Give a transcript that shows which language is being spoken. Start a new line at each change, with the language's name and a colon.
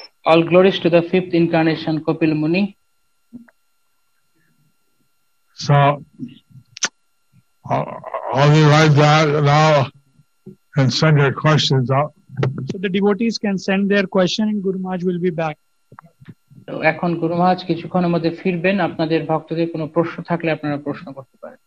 English: All glories to the fifth incarnation Kapil Muni. So, all you write that now and send your questions out. So the devotees can send their question and Guru Maharaj will be back.
Bangla: এখন গুরু মহারাজ কিছুক্ষণের মধ্যে ফিরবেন, আপনাদের ভক্তদের কোনো প্রশ্ন থাকলে আপনারা প্রশ্ন করতে পারেন।